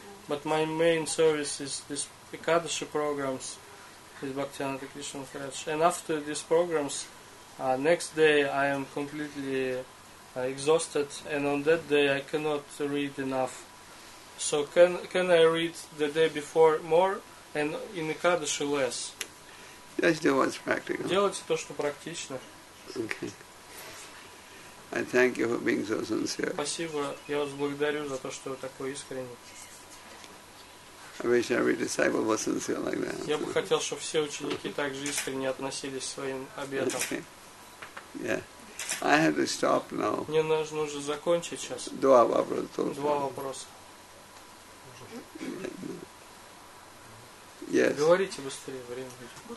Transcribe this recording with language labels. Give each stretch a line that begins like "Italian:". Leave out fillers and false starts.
English: But my main service is this Ekadashi programs with Bhaktivinoda Krishna Maharaj. And after these programs, next day I am completely exhausted, and on that day I cannot read enough. So can I read the day before more and in Ekadashi less? Just do what's practical.
Russian: Делайте то, что практично.
English: Okay. I thank you for being so sincere.
Russian: Спасибо. Я вас благодарю за то, что вы такой искренний.
English: I wish every disciple was sincere like that.
Russian: Я бы хотел, чтобы все ученики так же искренне относились к своим обетам.
English: Okay. Yeah. I have to stop now.
Russian: Мне нужно закончить сейчас. Два вопроса. Два вопроса.
English: Yes.
Russian: Говорите быстрее, время будет.